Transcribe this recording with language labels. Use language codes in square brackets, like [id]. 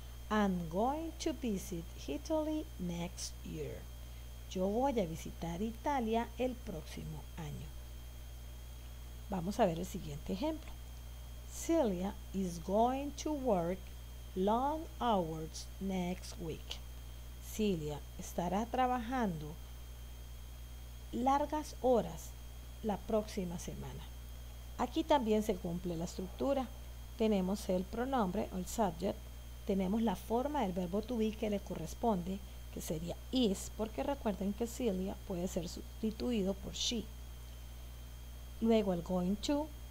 [en] I'm going to visit Italy next year. [es] Yo voy a visitar Italia el próximo año. Vamos a ver el siguiente ejemplo. [en] Celia is going to work long hours next week. [es] Celia estará trabajando largas horas la próxima semana. Aquí también se cumple la estructura. Tenemos el pronombre o el subject, tenemos la forma del verbo to be que le corresponde, que sería is, porque recuerden que Celia puede ser sustituido por she. Luego el going to,